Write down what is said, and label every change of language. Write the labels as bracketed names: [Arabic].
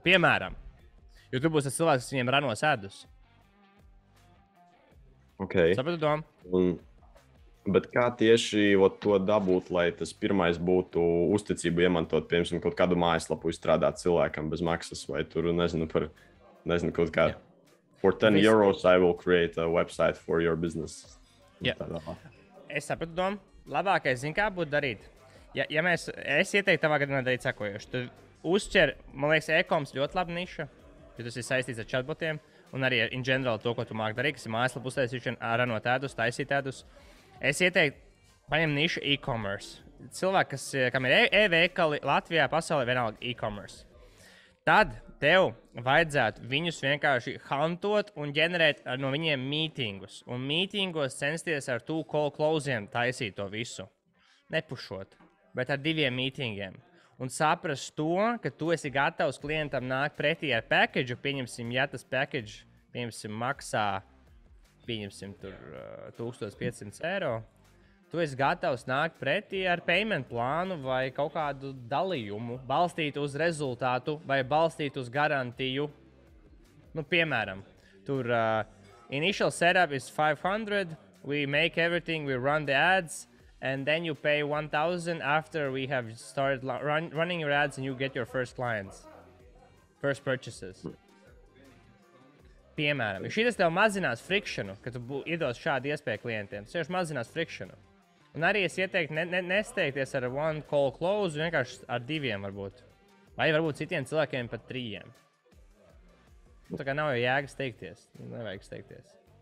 [Latvian] Piemēram, jo tu būsi cilvēks, kas viņiem ranos ēdus. Ok. Sapratu domu? Bet kā tieši to dabūt, lai tas pirmais būtu uzticību iemantot, piemēram, kaut kādu mājaslapu izstrādāt cilvēkam bez maksas vai tur, nezinu, par, nezinu, kaut kā. [English] Yeah. For 10 euros I will create a website for your business. [Latvian] Yeah. Es sapratu domu. Labākais, zini, kā būtu darīt? Ja mēs, es ieteiktu tavā gadījumā darīt sakojuši, tad uzķer, man liekas, e-coms ļoti laba niša, jo tas ir saistīts ar chatbotiem, un arī [English] in general [Latvian] to, ko tu māk darīt, kas ir mājaslapu uztaisīšana, ranot tādus, taisīt tādus. Es ieteiktu, paņem nišu e-commerce. Cilvēki, kas, kam ir e-veikali Latvijā, pasaulē, vienalga e-commerce. Tad tev vajadzētu viņus vienkārši huntot un ģenerēt no viņiem mītingus. Un mītingos censties ar two call close'iem taisīt to visu. Nepušot, bet ar diviem mītingiem. Un saprast to, ka tu esi gatavs klientam nākt pretī ar package'u, pieņemsim, ja tas package, pieņemsim, maksā, pieņemsim, tur 1500 eiro. Tu esi gatavs nākt pretī ar payment plānu vai kaut kādu dalījumu balstīt uz rezultātu vai balstīt uz garantiju. Nu, piemēram, tur [English] initial setup is 500, we make everything, we run the ads, and then you pay 1000 after we have started running your ads and you get your first clients, first purchases. [Latvian] Piemēram, šitas tev mazinās frikšanu, kad tu iedos šādu iespēju klientiem, tas jau mazinās frikšanu. Un arī es ieteiktu nesteigties ar one call close, vienkārši ar diviem varbūt. Vai varbūt citiem cilvēkiem pat trījiem. Tā kā nav jau jēga steigties, nevajag steigties.